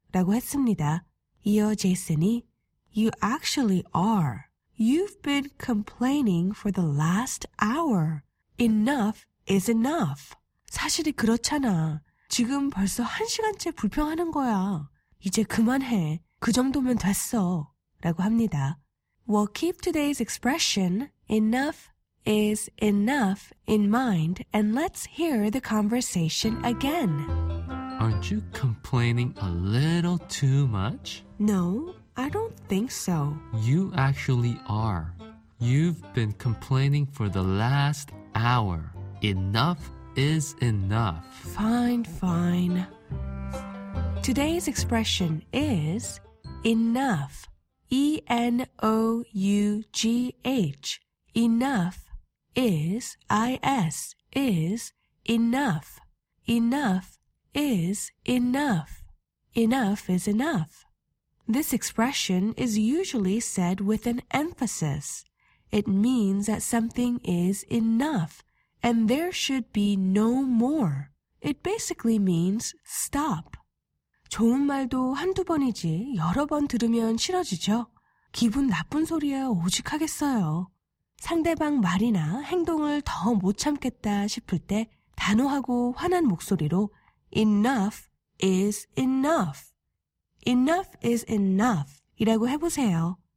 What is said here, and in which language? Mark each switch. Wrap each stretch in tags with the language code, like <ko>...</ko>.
<ko>라고 했습니다. 이어 제이슨이</ko> <en>You actually are. You've been complaining for the last hour. Enough is enough.</en> <ko>사실이 그렇잖아. 지금 벌써 한 시간째 불평하는 거야. 이제 그만해. 그 정도면 됐어. 라고 합니다.</ko> <en>Well, keep today's expression, enough is enough, in mind, and let's hear the conversation again. Aren't you complaining a little too much? No, I don't think so. You actually are. You've been complaining for the last hour. Enough is enough. Fine, fine. Today's expression is enough. E-N-O-U-G-H. Enough is I-S. Is enough. Enough is enough. Enough is enough. This expression is usually said with an emphasis. It means that something is enough and there should be no more. It basically means stop.</en> <ko>좋은 말도 한두 번이지 여러 번 들으면 싫어지죠. 기분 나쁜 소리야 오직 하겠어요. 상대방 말이나 행동을 더 못 참겠다 싶을 때 단호하고 화난 목소리로</ko> <en>Enough is enough. Enough is enough</en> <ko>이라고 해보세요.</ko>